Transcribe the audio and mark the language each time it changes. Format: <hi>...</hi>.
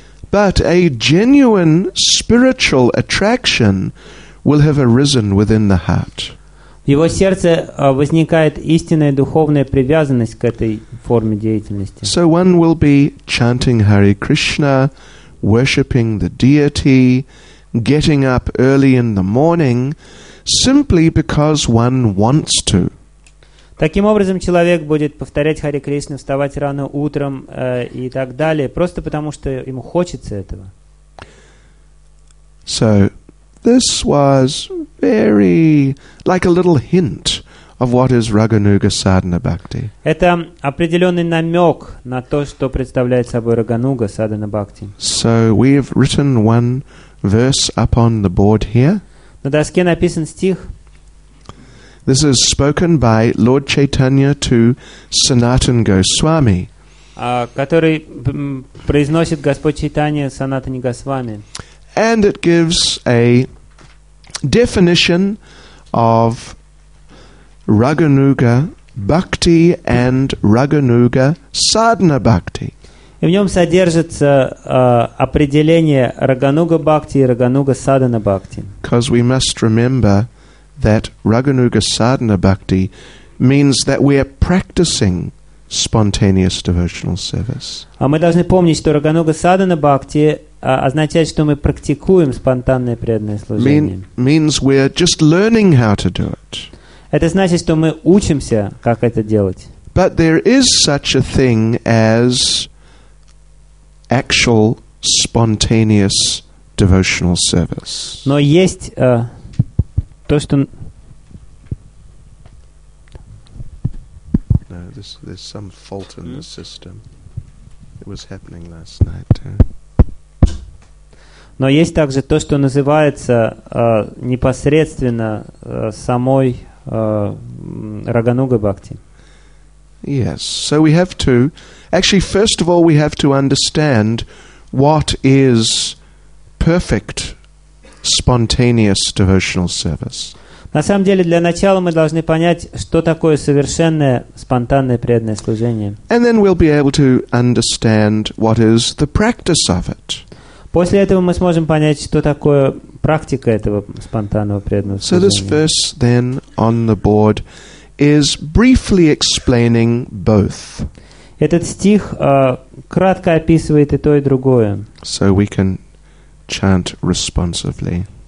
<en>But a genuine spiritual attraction will have arisen within the heart.</en> <ru>В его сердце возникает истинная духовная привязанность к этой форме деятельности.</ru> <en>So one will be chanting Hare Krishna, worshipping the deity, getting up early in the morning, simply because one wants to.</en> <ru>Таким образом, человек будет повторять Hare Krishna, вставать рано утром и так далее, просто потому что ему хочется этого.</ru> <en>So this was very like a little hint of what is Рагануга Садхана Бхакти.</en> <ru>Это определенный намек на то, что представляет собой Рагануга Садхана Бхакти.</ru> <en>So we have written one verse up on the board here.</en> <ru>На доске написан стих.</ru> <en>This is spoken by Lord Chaitanya to Sanatan Goswami.</en> <ru>Который произносит Господь Чайтанья Санатани Госвами.</ru> <en>And it gives a definition of Рагануга Бхакти and Рагануга Садхана Бхакти.</en> <ru>И в нем содержится определение Рагануга Бхакти и Рагануга Садхана Бхакти.</ru> <en>Because we must remember that Рагануга Садхана Бхакти means that we are practicing spontaneous devotional service.</en> <ru>А мы должны помнить, что Рагануга Садхана Бхакти означает, что мы практикуем спонтанное преданное служение.</ru> <en>Means we're just learning how to do it.</en> <ru>Это значит, что мы учимся, как это делать.</ru> <en>But there is such a thing as actual spontaneous devotional service.</en> <ru>Но есть то, что...</ru> <en>No, there's some fault in the system. It was happening last night, too.</en> <ru>Но есть также то, что называется непосредственно самой Рагануга Бхакти.</ru> <en>Yes, so we have to... Actually, first of all, we have to understand what is perfect spontaneous devotional service.</en> <ru>На самом деле, для начала мы должны понять, что такое совершенное спонтанное преданное служение.</ru> <en>And then we'll be able to understand what is the practice of it.</en> <ru>После этого мы сможем понять, что такое практика этого спонтанного преданного служения.</ru> <en>So this verse then on the board is briefly explaining both.</en> <ru>Этот стих кратко описывает и то, и другое.</ru> <en>So we can chant responsively.</en>